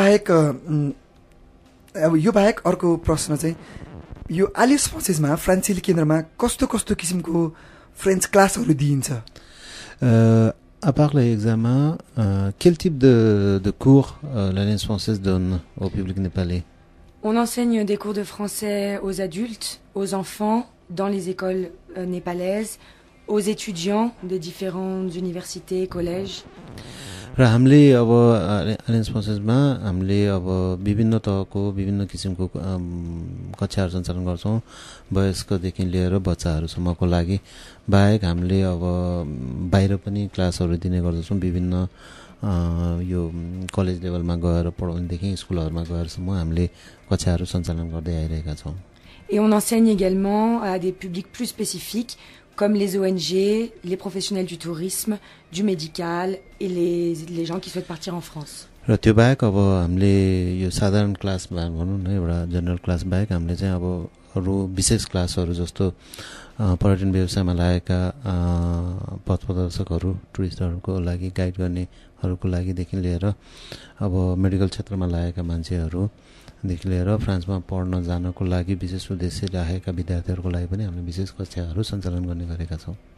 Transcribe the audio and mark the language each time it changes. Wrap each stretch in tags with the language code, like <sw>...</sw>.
<ne>यो बाहेक अर्को प्रश्न चाहिँ यो आलिस फ्रान्सेसमा फ्रान्सेली केन्द्रमा कस्तो कस्तो किसिमको फ्रेन्च क्लासहरू दिइन्छ</ne> <fr>À part l'examen, quel type de cours l'Alliance française donne au public népalais? On enseigne des cours de français aux adultes, aux enfants, dans les écoles népalaises, aux étudiants de différentes universités et collèges. Nous avons l'Alliance française,</fr> <ne>बाहेक हामीले अब बाहिर पनि क्लासहरू दिने गर्दछौँ विभिन्न यो कलेज लेभलमा गएर पढाउनेदेखि स्कुलहरूमा गएरसम्म हामीले कक्षाहरू सञ्चालन गर्दै आइरहेका छौँ</ne> <fr>Et on enseigne également à des publics plus spécifiques comme les ONG, les professionnels du tourisme, du médical et les gens qui souhaitent partir en France.</fr> <ne>र त्यो बाहेक अब हामीले यो साधारण क्लास भनौँ न एउटा जनरल क्लास बाहेक हामीले चाहिँ अब अरू विशेष क्लासहरू जस्तो पर्यटन व्यवसायमा लागेका पथ प्रदर्शकहरू टुरिस्टहरूको लागि गाइड गर्नेहरूको लागिदेखि लिएर अब मेडिकल क्षेत्रमा लागेका मान्छेहरूदेखि लिएर फ्रान्समा पढ्न जानको लागि विशेष उद्देश्य राखेका विद्यार्थीहरूको लागि पनि हामीले विशेष कक्षाहरू सञ्चालन गर्ने गरेका छौँ</ne>